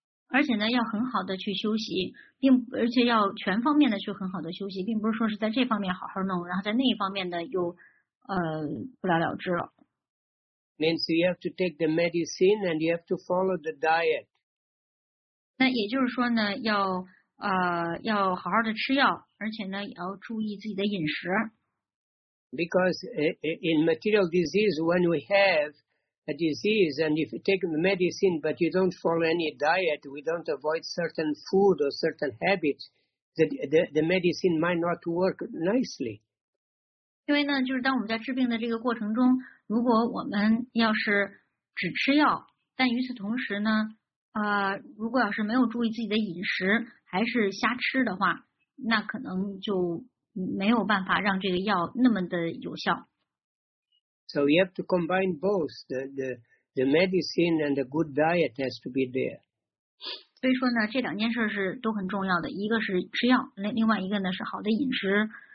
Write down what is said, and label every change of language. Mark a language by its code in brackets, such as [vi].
[zh] 而且呢要很好的去休息，并而且要全方面的去很好的休息，并不是说是在这方面好好弄，然后在那一方面的又不了了之了。 [en] Means you have to take the medicine and you have to follow the diet. [zh] 那也就是说呢，要好好的吃药，而且呢也要注意自己的饮食。 [en] Because in material disease, when we have,a disease, and if you take the medicine but you don't follow any diet, we don't avoid certain food or certain habits, the medicine might not work nicely. [zh] 因为呢，就是当我们在治病的这个过程中，如果我们要是只吃药，但与此同时呢，如果要是没有注意自己的饮食，还是瞎吃的话，那可能就没有办法让这个药那么的有效。 [en] So you have to combine both the medicine and the good diet has to be there. [zh] 所以说呢，这两件事是都很重要的。一个是吃药，另外一个呢是好的饮食，